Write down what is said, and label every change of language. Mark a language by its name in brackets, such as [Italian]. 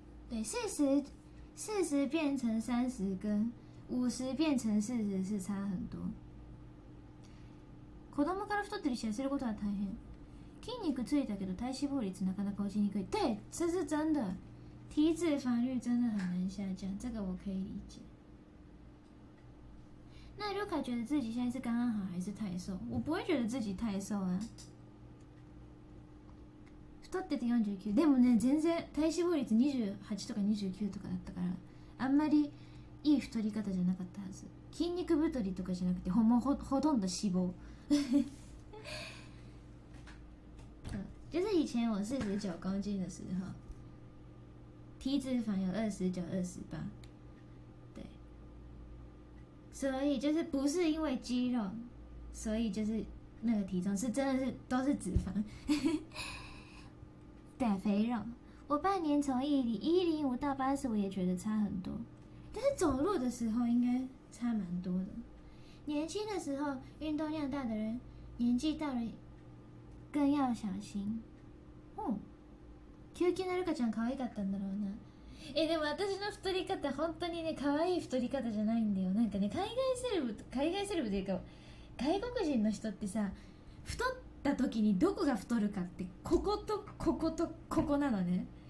[Chinese] で、40变成30跟50变成40是差很多。 [Japanese] 子供から太ってるし痩せることは大変。筋肉ついたけど体脂肪率なかなか落ちにくい。 [Chinese] 对，这是真的。体脂肪率真的很难下降，这个我可以理解。那如果觉得自己现在是刚刚好还是太瘦？我不会觉得自己太瘦啊。 [Japanese] 太ってて49。でもね、全然体脂肪率28とか29とかだったから、あんまりいい太り方じゃなかったはず。筋肉太りとかじゃなくて、ほとんど脂肪。 [Chinese] 就是以前我49公斤的时候，体脂肪有29、28，对，所以就是不是因为肌肉，所以就是那个体重是真的是都是脂肪，对，肥肉。我半年从105到85也觉得差很多，但是走路的时候应该差蛮多的。年轻的时候运动量大的人，年纪大了更要小心。 [Japanese] キュウキュウなるかちゃん可愛かったんだろうな。でも私の太り方本当にね、可愛い太り方じゃないんだよ。なんかね、海外セレブというか外国人の人ってさ、太った時にどこが太るかってこことこことここなのね。